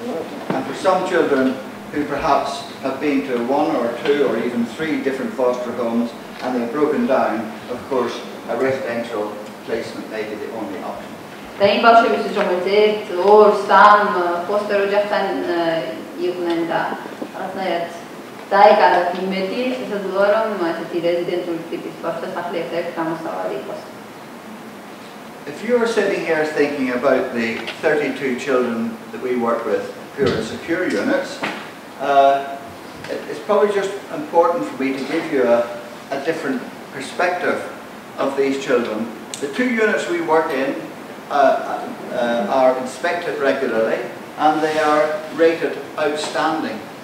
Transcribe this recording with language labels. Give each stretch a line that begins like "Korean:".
English: And for some children who perhaps have been to one or two or even three different foster homes and they've broken down, of course, a residential placement may be the only option.
Georgian: და იმ ბავშვებისთვის, რომელიც 1-2-3 ფოსტერ ოჯახთან იყვნენ და რაღაცნაირად დაეკარგათ იმედი, შესაძლოა რომ ესეთი რეზიდენტური ტიპის ბავშვთა სახლი ერთ-ერთი გამოსავალი იყოს.
English: If you are sitting here thinking about the 32 children that we work with here in secure units, it's probably just important for me to give you a different perspective of these children. The two units we work in are inspected regularly and they are rated outstanding.